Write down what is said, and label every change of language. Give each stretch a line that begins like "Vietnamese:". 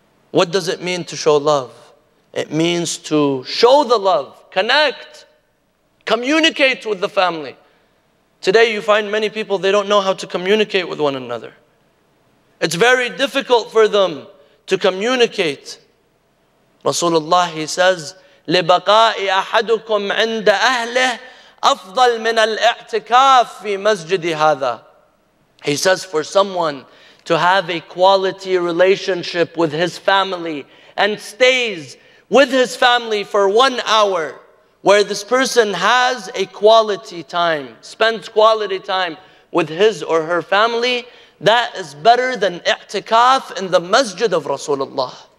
English: What does it mean to show love? It means to show the love, connect, communicate with the family. Today you find many people, they don't know how to communicate with one another. It's very difficult for them to communicate. Rasulullah, he says,
Arabic: لِبَقَاءِ أَحَدُكُمْ عِنْدَ أَهْلِهِ أَفْضَلْ مِنَ الْإِعْتِكَافِ فِي مَسْجِدِ هَذَا.
English: He says, for someone to have a quality relationship with his family and stays with his family for 1 hour, where this person has a quality time, spends quality time with his or her family, that is better than i'tikaf in the masjid of Rasulullah.